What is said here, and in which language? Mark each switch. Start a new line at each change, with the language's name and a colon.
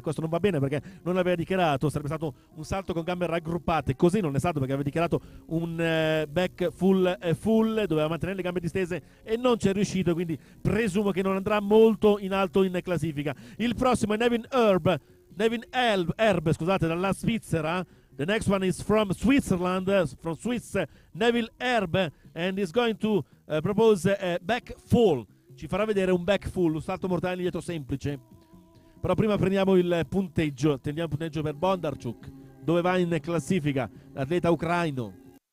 Italian: Questo non va bene perché non l'aveva dichiarato. Sarebbe stato un salto con gambe raggruppate. Così non è stato, perché aveva dichiarato un back full full. Doveva mantenere le gambe distese e non ci è riuscito. Quindi presumo che non andrà molto in alto in classifica. Il prossimo è Nevin Erb, dalla Svizzera.
English: The next one is from Switzerland, from Swiss, Neville Erb, and is going to propose a back full.
Italian: Ci farà vedere un back full, un salto mortale indietro semplice. Però prima prendiamo il punteggio, attendiamo il punteggio per Bondarchuk, dove va in classifica l'atleta ucraino.